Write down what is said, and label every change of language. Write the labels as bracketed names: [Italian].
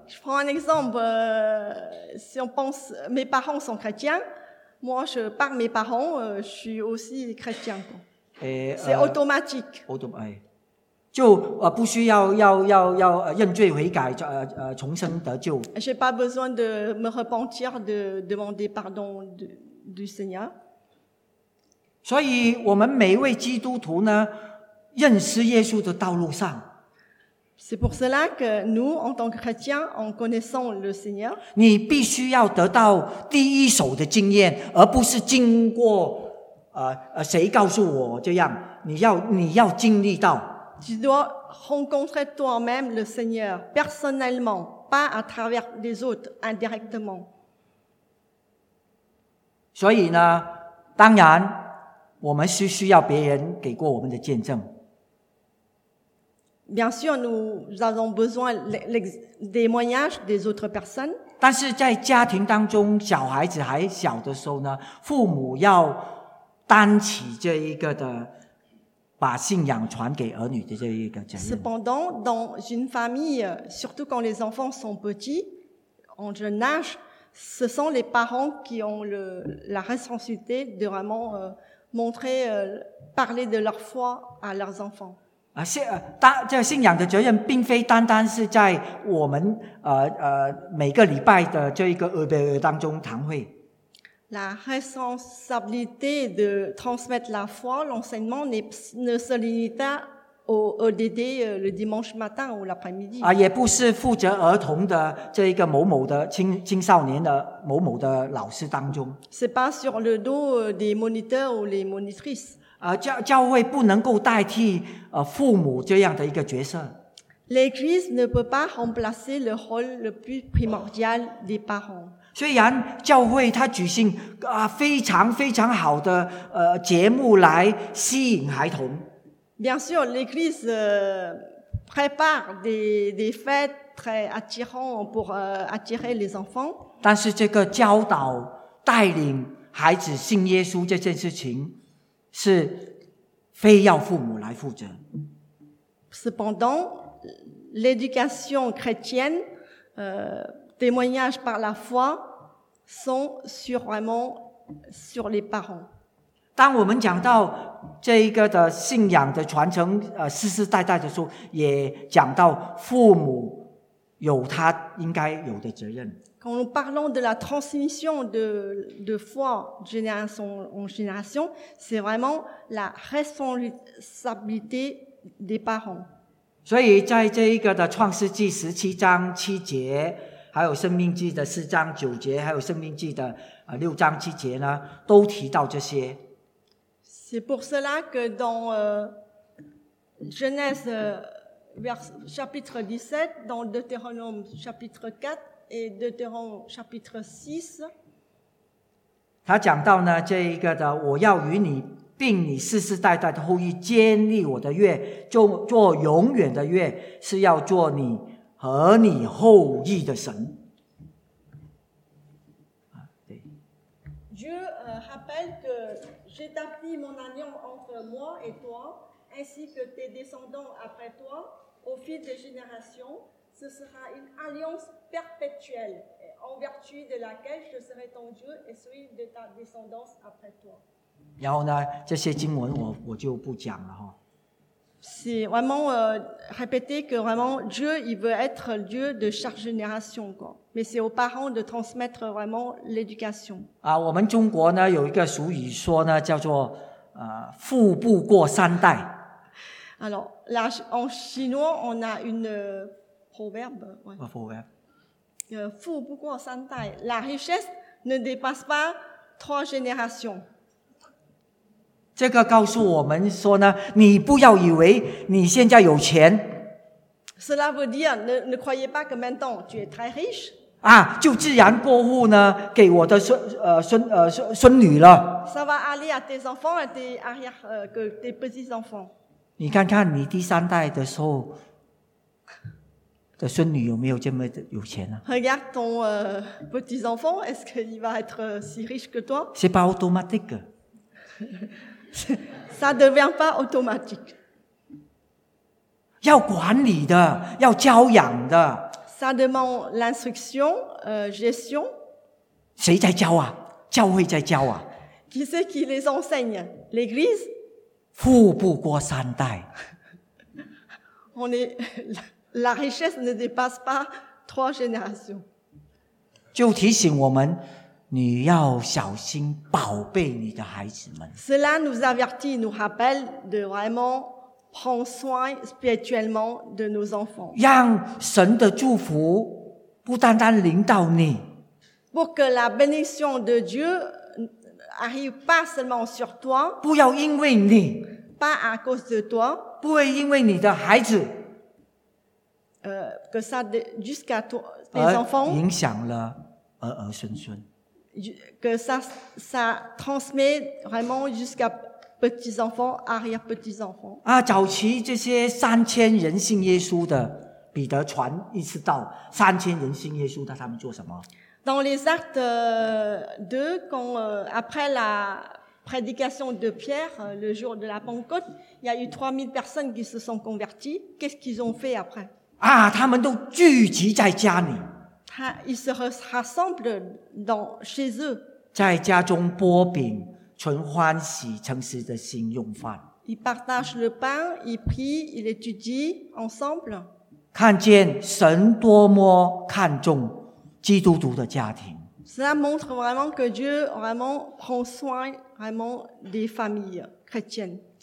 [French] Je prends un exemple, si on pense, mes parents sont chrétiens, moi je parle mes parents, je suis aussi chrétien. C'est automatique. Automatique. [Chinese] 就不需要认罪悔改重生得救。 [French] J'ai pas besoin de me repentir de demander pardon du Seigneur. [Chinese] 所以我们每一位基督徒呢，认识耶稣的道路上。 [French] C'est pour cela que nous, en tant que chrétiens, en connaissant le Seigneur. [Chinese] 你必须要得到第一手的经验，而不是经过谁告诉我这样，你要经历到。 [French] Tu dois rencontrer toi-même le Seigneur personnellement, pas à travers les autres, indirectement. [Chinese] 所以呢，当然，我们是需要别人给过我们的见证。 [French] Bien sûr, nous avons besoin des témoignages des autres personnes. [Chinese] 但是在家庭当中，小孩子还小的时候呢，父母要担起这一个的。把信仰传给儿女的这一个责任。 [French] Cependant, dans une famille, surtout quand les enfants sont petits, en jeune âge, ce sont les parents qui ont la responsabilité de vraiment montrer, parler de leur foi à leurs enfants. [Chinese] 这信仰的责任并非单单是在我们每个礼拜的这一个当中堂会。 [French] la responsabilité de transmettre la foi, l'enseignement ne se limite pas au EDD le dimanche matin ou l'après-midi. [Chinese] 啊，也不是负责儿童的这一个某某的青少年的某某的老师当中。 [French] C'est pas sur le dos des moniteurs ou les monitrices. [Chinese] 啊，教会不能够代替父母这样的一个角色。 [French] L'Église ne peut pas remplacer le rôle le plus primordial des parents. [Chinese] 虽然教会它举行啊非常非常好的节目来吸引孩童。 [French] Bien sûr, l'Église prépare des fêtes très attirantes pour attirer les enfants. [Chinese] 但是这个教导带领孩子信耶稣这件事情是非要父母来负责。 [French] Cependant, l'éducation chrétienne, témoignage par la foi, sont sûrement sur les parents. [Chinese] 当我们讲到这一个的信仰的传承世世代代的时候，也讲到父母有他应该有的责任。 [French] Quand nous parlons de la transmission de foi de génération en génération, c'est vraiment la responsabilité des parents. [Chinese] 所以在这一个的创世纪十七章七节，还有生命记的四章九节，还有生命记的六章七节呢，都提到这些。 [French] C'est pour cela que dans Genèse chapitre 17, dans Deutéronome chapitre 4 et Deutéronome chapitre 6, [Chinese] 他讲到呢，这一个的，我要与你并你世世代代的后裔建立我的约，做永远的约，是要做你和你后裔的神。 [French] Dieu rappelle que j'établis mon alliance entre moi et toi, ainsi que tes descendants après toi, au fil des générations. Ce sera une alliance perpétuelle, en vertu de laquelle je serai ton Dieu et celui de ta descendance après toi. [Chinese] 然后呢，这些经文我就不讲了哈。 [French] C'est vraiment répéter que vraiment Dieu il veut être Dieu de chaque génération quoi. Mais c'est aux parents de transmettre vraiment l'éducation. [Chinese] 啊，我们中国呢有一个俗语说呢，叫做父不过三代。 [French] Alors là en chinois on a une proverbe. Un proverbe. [Chinese] 父不过三代 [French] ，la richesse ne dépasse pas trois générations。 [Chinese] 这个告诉我们说呢，你不要以为你现在有钱。 [French] Cela veut dire, ne croyez pas que maintenant tu es très riche. [Chinese] 啊，就自然过户呢，给我的孙女了。 [French] Ça va aller à tes enfants et tes arrière, tes petits enfants. [Chinese] 你看看你第三代的时候的孙女有没有这么的有钱啊 [French] ？Regarde ton petits enfants, est-ce qu'il va être si riche que toi? C'est pas automatique. Ça ne devient pas automatique. [Chinese] 要管理的，要教养的。 [French] Ça demande l'instruction, gestion. [Chinese] 谁在教啊？教会在教啊。 [French] Qui c'est qui les enseigne? L'Église. [Chinese] 富不过三代。 [French] On est la richesse ne dépasse pas trois générations. [Chinese] 就提醒我们。你要小心宝贝你的孩子们。 [French] Cela nous avertit, nous rappelle de vraiment prendre soin spirituellement de nos enfants. [Chinese] 让神的祝福不单单临到你。 [French] Pour que la bénédiction de Dieu arrive pas seulement sur toi. [Chinese] 不要因为你。 [French] Pas à cause de toi. [Chinese] 不会因为你的孩子。 [French] Que ça jusqu'à tes enfants. [Chinese] 影响了儿儿孙孙。 [French] Que ça transmet vraiment jusqu'à petits enfants, arrière petits enfants. [Chinese] 啊，早期这些三千人信耶稣的彼得传一次道，三千人信耶稣的，他们做什么 [French] ？Dans les Actes 2, quand après la prédication de Pierre le jour de la Pentecôte, il y a eu 3000 personnes qui se sont converties. Qu'est-ce qu'ils ont fait après？ [Chinese] 啊，他们都聚集在家里。 [French] Ils se rassemblent dans chez eux. [Chinese] 在家中擘饼，存欢喜诚实的心用饭。 [French] Ils partagent le pain, ils prient, ils étudient ensemble. [Chinese] 看见神多么看重基督徒的家庭。 [French] Cela montre vraiment que Dieu vraiment prend soin vraiment des familles chrétiennes.